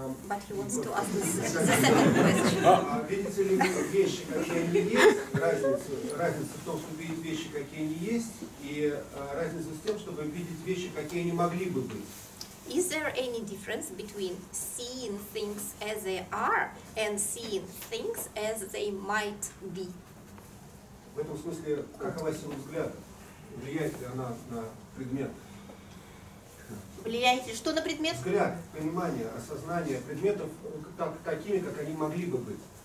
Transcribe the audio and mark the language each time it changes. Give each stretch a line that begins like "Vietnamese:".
English: But he wants to ask the second question.
Russian: А видите ли вещи, какие они есть, разница в том, чтобы видеть вещи, какие они есть, и разница с тем, чтобы видеть вещи, какие они могли бы быть.
English: Is there any difference between seeing things as they are and seeing things as they might be?
Russian: В этом смысле, какова сила взгляда? Влияет ли она на предмет? Влияет ли что на предмет? Взгляд, понимание, осознание предметов такими, как они могли бы быть.